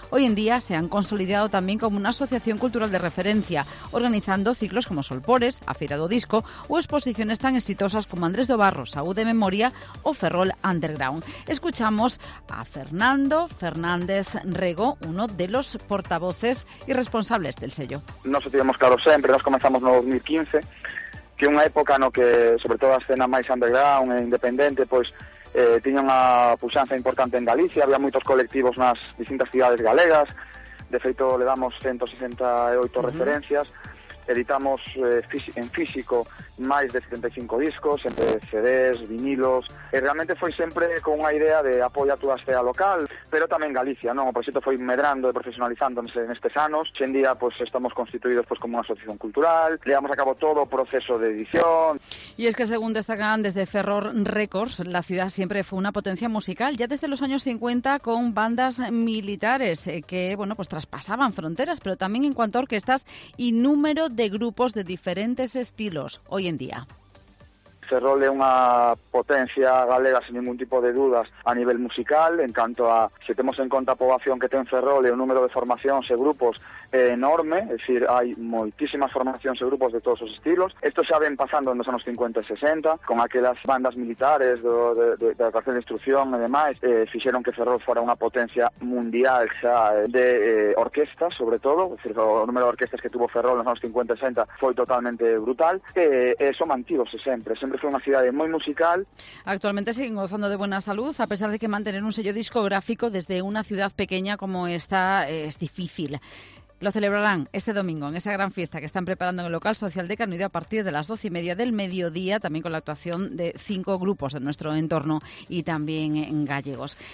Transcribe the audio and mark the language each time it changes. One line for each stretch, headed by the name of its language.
Spanish: Hoy en día se han consolidado también como una asociación cultural de referencia, organizando ciclos como Solpores, Afirado Disco o exposiciones tan exitosas como Andrés Dobarro, Saúl de Memoria o Ferrol Underground. Escuchamos a Fernando Fernández Rego, uno de los portavoces y responsables del sello.
Galician: Nos teníamos claro siempre, nos comenzamos en 2015, que unha época no que, sobre todo a escena máis underground e independente, pois tiña unha puxanza importante en Galicia, había moitos colectivos nas distintas cidades galegas, de feito le damos 168 referencias, editamos en físico máis de 75 discos, entre CDs, vinilos, e realmente foi sempre con unha idea de apoio a toda a escena local, pero tamén Galicia, non? O proxecto foi medrando e profesionalizándose nestes anos. Hoxendía, pois, estamos constituídos pois, como unha asociación cultural, levamos a cabo todo o proceso de edición.
Spanish: Y es que según destacan desde Ferrol Records, la ciudad siempre fue una potencia musical, ya desde los años 50 con bandas militares que, bueno, pues traspasaban fronteras, pero también en cuanto a orquestas y número de grupos de diferentes estilos hoy en día.
Galician: Ferrol é unha potencia galega sen ningún tipo de dudas a nivel musical, en canto a, se temos en conta a poboación que ten Ferrol e o número de formacións e grupos é enorme, é dicir, hai moitísimas formacións e grupos de todos os estilos. Isto xa ven pasando nos anos 50 e 60, con aquelas bandas militares de atracción de instrucción e demais, fixeron que Ferrol fora unha potencia mundial xa de orquestas, sobre todo, é dicir, o número de orquestas que tuvo Ferrol nos anos 50 e 60 foi totalmente brutal, e eso mantivose sempre. Sempre foi unha cidade moi musical.
Spanish: Actualmente siguen gozando de buena salud, a pesar de que mantener un sello discográfico desde unha ciudad pequeña como esta es difícil. Lo celebrarán este domingo en esa gran fiesta que están preparando en el local social de Canido a partir de las 12:30 del mediodía, también con la actuación de 5 grupos en nuestro entorno y también en gallegos.